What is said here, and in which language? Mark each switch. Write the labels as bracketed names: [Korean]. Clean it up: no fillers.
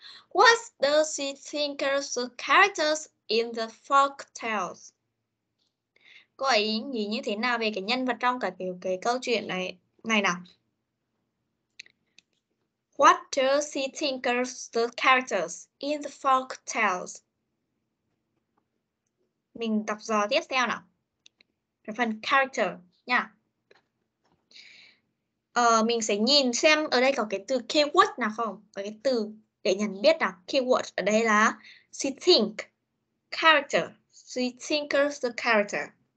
[English] What does she think of the characters in the folk tales? [Vietnamese] Cô ấy nghĩ như thế nào về cái nhân vật trong cả cái câu chuyện này này nào? [English] What does she think of the characters in the folk tales? [Vietnamese] Mình đọc dò tiếp theo nào. Cái phần character nha. Mình sẽ nhìn xem ở đây có cái từ keyword nào không? Có cái từ để nhận biết là keyword ở đây là [English] she think character, she thinks the character.